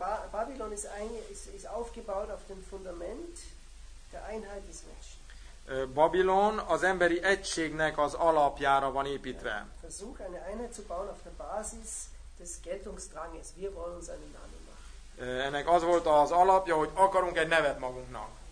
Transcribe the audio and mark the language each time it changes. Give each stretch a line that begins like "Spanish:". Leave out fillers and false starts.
German: Babylon is aufgebaut auf dem Fundament der Einheit des Menschen.
Hungarian: Babylon az emberi egységnek az alapjára van építve.
German: Versuch eine Einheit zu bauen auf der Basis des Geltungsdranges. Wir wollen uns einen Namen machen.
Hungarian: Ennek az volt az alapja, hogy akarunk egy nevet magunknak.